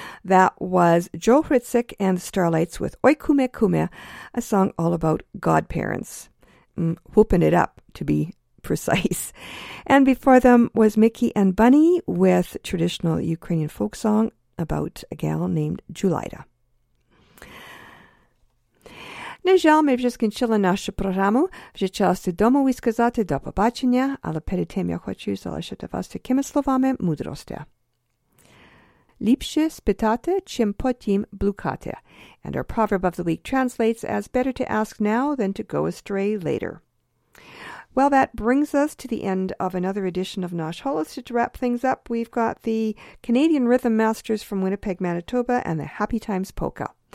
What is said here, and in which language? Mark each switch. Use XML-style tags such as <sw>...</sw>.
<en>That was Joe Hritsik and the Starlights with Oy Kume Kume, a song all about godparents. Whooping it up, to be precise. And before them was Mickey and Bunny with traditional Ukrainian folk song about a gal named Julaida.</en> <uk>На жаль, ми вже скінчили нашу програму. Вже час додому і сказати до побачення, але перед тим я хочу залишити вас такими словами мудрості. Ліпше спитати, чим потім блукати.</uk> <en>And our proverb of the week translates as better to ask now than to go astray later. Well, that brings us to the end of another edition of Nosh Holistic. To wrap things up, we've got the Canadian Rhythm Masters from Winnipeg, Manitoba, and the Happy Times Polka.</en>